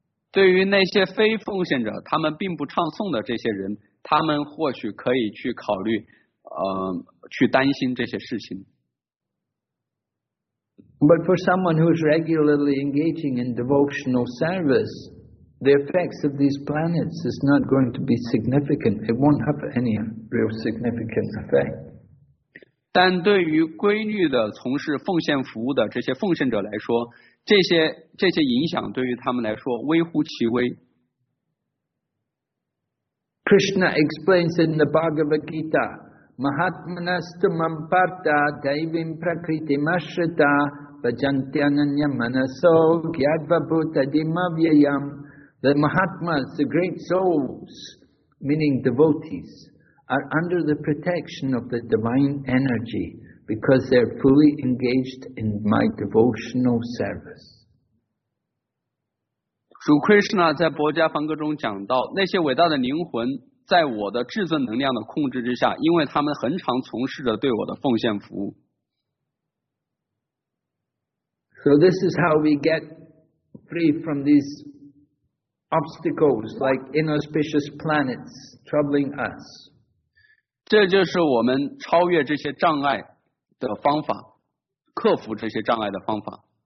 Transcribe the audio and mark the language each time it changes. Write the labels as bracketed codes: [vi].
[zh] 对于那些非奉献者，他们并不唱诵的这些人，他们或许可以去考虑，去担心这些事情。 [en] But for someone who is regularly engaging in devotional service, the effects of these planets is not going to be significant. It won't have any real significant effect. [zh] 但对于规律的从事奉献服务的这些奉献者来说，这些影响对于他们来说微乎其微。 [sa] Krishna explains in the Bhagavad Gita, Mahatmanastu Mamparta Daivim Prakriti Mashrita Vajantyananya Manaso Gyadva Bhuta Dimavyayam. [en] The Mahatmas, the great souls, meaning devotees. Are under the protection of the divine energy because they're fully engaged in my devotional service. [zh] 主 Krishna 在《薄伽梵歌》中讲到，那些伟大的灵魂在我的至尊能量的控制之下，因为他们恒常从事着对我的奉献服务。 [en] So this is how we get free from these obstacles like inauspicious planets troubling us. [zh] 这就是我们超越这些障碍的方法，克服这些障碍的方法。